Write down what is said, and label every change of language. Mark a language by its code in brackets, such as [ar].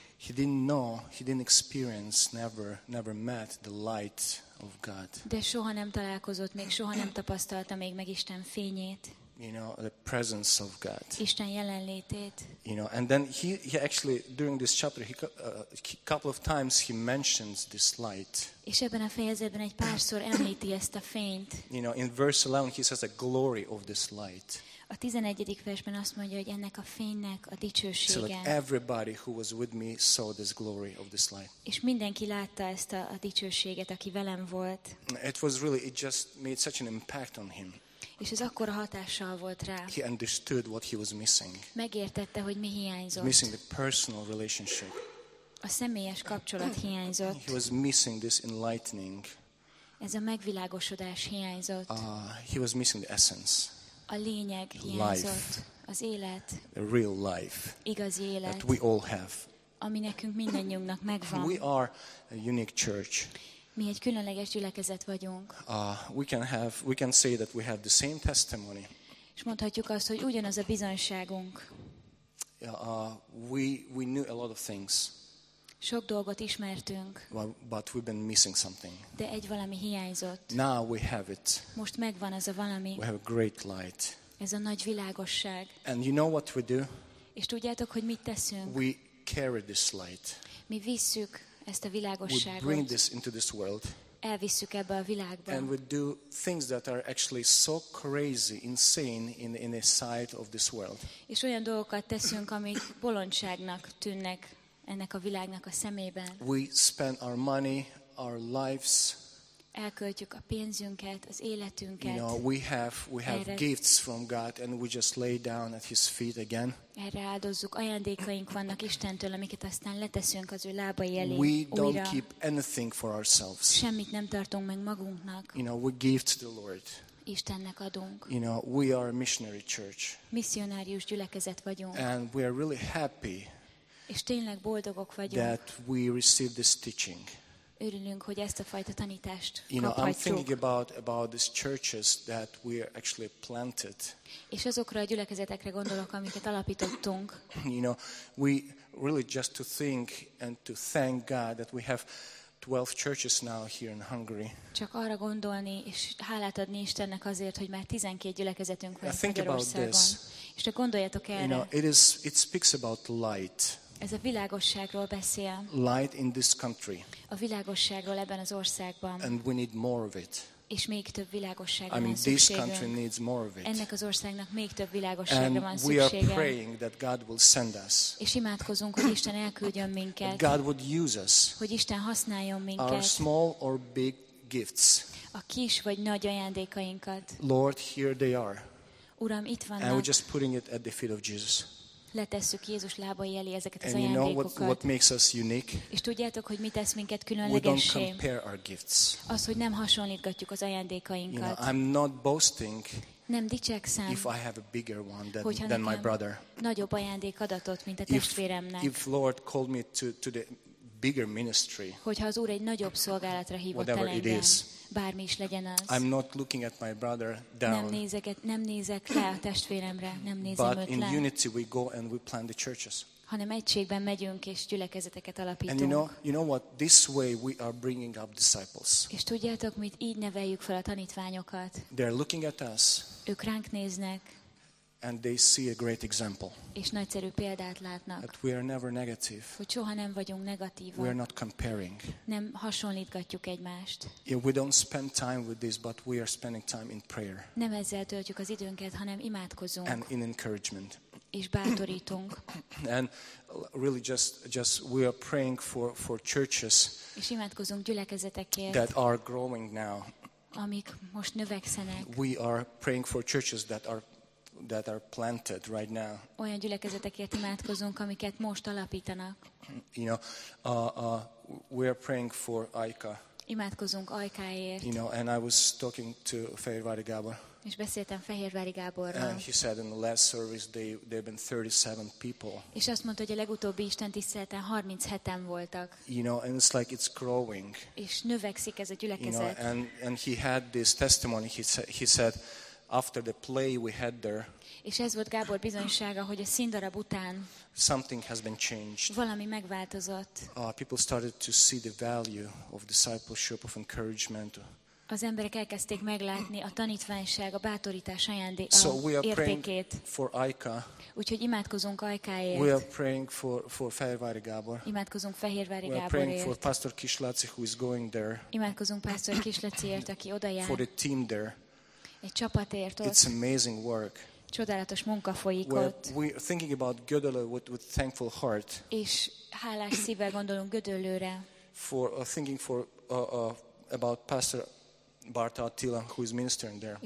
[en] He didn't know, he didn't experience, never met the light of God. [hu] De soha nem találkozott, még soha nem tapasztalta még meg Isten fényét. [en] You know, the presence of God. [hu] Isten jelenlétét. [en] You know, and then he actually during this chapter couple of times he mentions this light. [hu] És ebben a fejezetben egy párszor említi ezt a fényt. [en] You know, in verse 11 he says the glory of this light. [hu] A 11. versben azt mondja, hogy ennek a fénynek a dicsősége. [en] So like everybody who was with me saw this glory of this light. [hu] És mindenki látta ezt a dicsőséget, aki velem volt. [en] It was really, it just made such an impact on him. [hu] És ez akkora hatással volt rá. [en] He understood what he was missing. [hu] Megértette, hogy mi hiányzott. [en] Missing the personal relationship. [hu] A személyes kapcsolat hiányzott. [en] He was missing this enlightening. [hu] Ez a megvilágosodás hiányzott. [en] He was missing the essence. [hu] A lényeg hiányzott. Az élet. [en] The real life. [hu] Igazi élet. [en] That we all have. [hu] Ami nekünk mindannyiunknak megvan. [en] We are a unique church. [hu] Mi egy különleges gyülekezet vagyunk. [en] We can say that we have the same testimony. [hu] És mondhatjuk azt, hogy ugyanaz a bizonyságunk. [en] We knew a lot of things. [hu] Sok dolgot ismertünk. [en] But we've been missing something. [hu] De egy valami hiányzott. [en] Now we have it. [hu] Most megvan ez a valami. [en] We have a great light. [hu] Ez a nagy világosság. [en] And you know what we do? [hu] És tudjátok, hogy mit teszünk? [en] We carry this light. [hu] Mi visszük ezt a világosságot. [en] We bring this into this world. [hu] Elvisszük ebbe a világba. [en] And we do things that are actually so crazy, insane in the sight of this world. [hu] És olyan dolgokat teszünk, amik bolondságnak tűnnek ennek a világnak a szemében. [en] We spend our money, our lives. [hu] Elköltjük a pénzünket, az életünket. [en] You know, we have gifts from God and we just lay down at his feet again. [hu] Erre áldozzuk, ajándékaink vannak Istentől, amiket aztán leteszünk az ő lábai elé. [en] We don't keep anything for ourselves. [hu] Semmit nem tartunk meg magunknak. [en] You know, we give to the Lord. [hu] Istennek adunk. [en] You know, we are a missionary church. [hu] Misszionárius gyülekezet vagyunk. [en] And we are really happy. [hu] És tényleg boldogok vagyunk. [en] That we receive this teaching. [hu] Örülünk, hogy ezt a fajta tanítást kaphatjuk. [en] You know, I'm thinking about these churches that we are actually planted. [hu] És azokra a gyülekezetekre gondolok, amiket alapítottunk. [en] You know, we really just to think and to thank God that we have 12 churches now here in Hungary. [hu] Csak arra gondolni és hálát adni Istennek azért, hogy már 12 gyülekezetünk van Magyarországon. És csak gondoljatok erre. [en] You know, it speaks about light. [hu] Ez a világosságról beszél. [en] Light in this country. [hu] A világosságról ebben az országban. [en] And we need more of it. [hu] És még több világosságra van szükségünk. [en] This country needs more of it. [hu] Ennek az országnak még több világosságra van szüksége. [en] And we are praying that God will send us. [hu] És imádkozunk, hogy Isten elküldjön minket. [en] That God would use us. [hu] Hogy Isten használjon minket. [en] Our small or big gifts. [hu] A kis vagy nagy ajándékainkat. [en] Lord, here they are. [hu] Uram, itt vannak. [en] And we're just putting it at the feet of Jesus. [hu] Letesszük Jézus lábai elé ezeket [en] and [hu] az ajándékokat. [en] You know what makes us unique? [hu] És tudjátok, hogy mi tesz minket különlegessé? [en] We don't compare our gifts. [hu] Az, hogy nem hasonlítgatjuk az ajándékainkat. [en] You know, I'm not boasting. [hu] Nem dicsekszem. [en] If I have a bigger one than my brother. [hu] Nagyobb ajándék adatot, mint a testvéremnek. [en] If Lord called me to the bigger ministry. [hu] Hogyha az Úr egy nagyobb szolgálatra hívott el engem. Bármi is legyen az. [en] I'm not looking at my brother down. [hu] Nem nézek rá a testvéremre, nem nézem [en] but [hu] őt le. [en] In unity we go and we plant the churches. [hu] Hanem egységben megyünk és gyülekezeteket alapítunk. [en] And you know what? This way we are bringing up disciples. [hu] És tudjátok mit? Így neveljük fel a tanítványokat. [en] They're looking at us. [hu] Ők ránk néznek. [en] And they see a great example. [hu] És nagyszerű példát látnak. [en] That we are never negative. [hu] Hogy soha nem vagyunk negatívak. [en] We are not comparing. [hu] Nem hasonlítgatjuk egymást. [en] Yeah, we don't spend time with this, but we are spending time in prayer. [hu] Nem ezzel töltjük az időnket, hanem imádkozunk. [en] And in encouragement. [hu] És bátorítunk. [en] And really just we are praying for churches. [hu] És imádkozunk gyülekezetekért. [en] That are growing now. [hu] Amik most növekszenek. [en] We are praying for churches that are planted right now. [hu] Olyan gyülekezetekért imádkozunk, amiket most alapítanak. [en] You know, we are praying for Ajka. [hu] Imádkozunk Ajkáért. [en] You know, and I was talking to Fehérvári Gábor. [hu] És beszéltem Fehérvári Gáborról. [en] And he said in the last service they've been 37 people. [hu] És azt mondta, hogy a legutóbbi istentiszteleten 37-en voltak. [en] You know, and it's like it's growing. [hu] És növekszik ez a gyülekezet. [en] You know, and he had this testimony. He said after the play we had there. [hu] És ez volt Gábor bizonysága, hogy a színdarab után [en] something has been changed. [hu] Valami megváltozott. [en] People started to see the value of discipleship, of encouragement. [hu] Az emberek elkezdték meglátni a tanítványság, a bátorítás ajándék [en] so [hu] értékét. [en] For Ajka. [hu] Úgyhogy imádkozunk Ajkáért. [en] We are praying for Fehérvári Gábor. [hu] Imádkozunk Fehérvári Gáborért. [en] We are praying for Pastor Kislaci, who is going there. [hu] Imádkozunk Pastor Kislaciért, aki oda jár. [en] For the team there. [hu] Egy csapatért ott. [en] It's amazing work. [hu] Csodálatos munka folyik [en] where [hu] ott. [en] We are thinking about Gödöllő with thankful heart. [hu] És hálás szívvel gondolunk Gödöllőre. [en] For thinking for about Pastor Barta Attila, who is ministering there.